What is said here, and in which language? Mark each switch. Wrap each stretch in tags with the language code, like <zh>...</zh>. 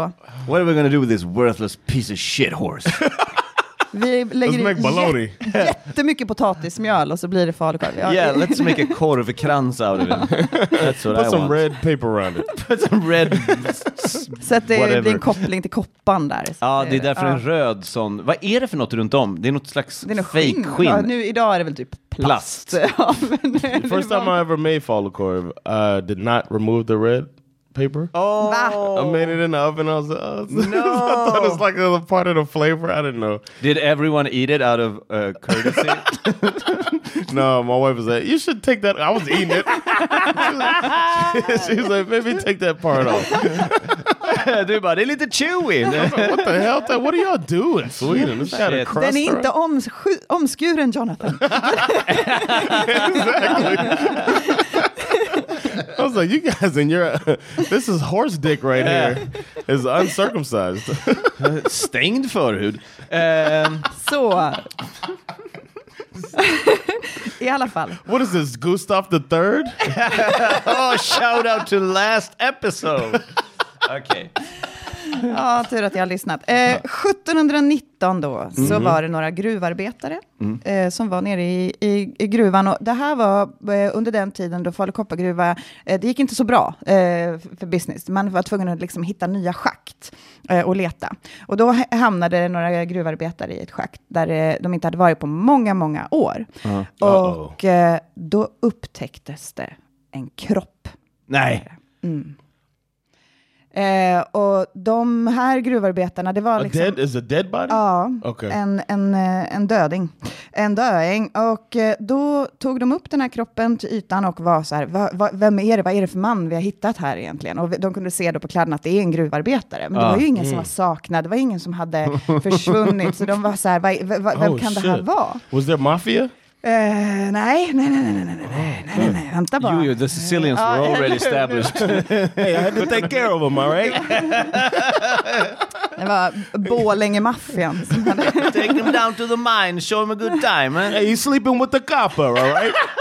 <en>What are we gonna do with this worthless piece of shit horse?</en> <sv>Vi lägger in jättemycket potatismjöl och så blir det falukorv.</sv> <en>Yeah, let's make a korvkrans out of it. That's what Put I some want. Red paper around it. Put some red...</en> <sv>Så att det är en koppling till koppan där. Ja, det är därför en röd sån... Vad är det för något runt om? Det är något slags fake skinn. Ja, nu idag är det väl typ plast.</sv> <en>First time I ever made falukorv, did not remove the red. Paper. Oh, I made it in the oven. I was like, I thought it was like a part of the flavor. I didn't know. Did everyone eat it out of courtesy? No, my wife was like, you should take that. I was eating it. She's like, maybe take that part off. Dude, but it's a little chewy. Like, what the hell? What are y'all doing? Sweden, this kind of crust.</en> <sv>Den är inte omskuren, Jonathan.</sv> <en>Exactly. I was like, you guys in your... this is horse dick right here. It's uncircumcised. Stained forehead. So...</en> <sv>I alla fall.</sv> <en>What is this, Gustav the Third? Oh, shout out to last episode. Okay.</en> <sv>Ja, tur att jag har lyssnat. 1719 då, så var det några gruvarbetare som var nere i gruvan. Och det här var under den tiden då falukoppargruva, det gick inte så bra för business. Man var tvungen att liksom hitta nya schakt och leta. Och då hamnade några gruvarbetare i ett schakt där de inte hade varit på många, många år. Uh-huh. Och då upptäcktes det en kropp. Nej. Mm. Och de här gruvarbetarna, det var liksom</sv> <en>is a dead body?</en> <sv>Ja,</sv> <en>okay.</en> <sv>en döding. En döing. Och då tog de upp den här kroppen till ytan och var så här, vem är det? Vad är det för man vi har hittat här egentligen? Och de kunde se då på kläderna att det är en gruvarbetare. Men det var ju ingen som var saknad. Det var ingen som hade försvunnit. Så de var så här, vem kan det här vara?</sv> <en>Was there mafia?</en> <sv>Nej. Vänta bara.</sv> <en>You, the Sicilians were already established. Hey, I had to take care of them, all right?</en> <sv>Det var Bålänge-maffian.</sv> <en>Take them down to the mine, show them a good time. Eh? Hey, you sleeping with the copper, all right?</en>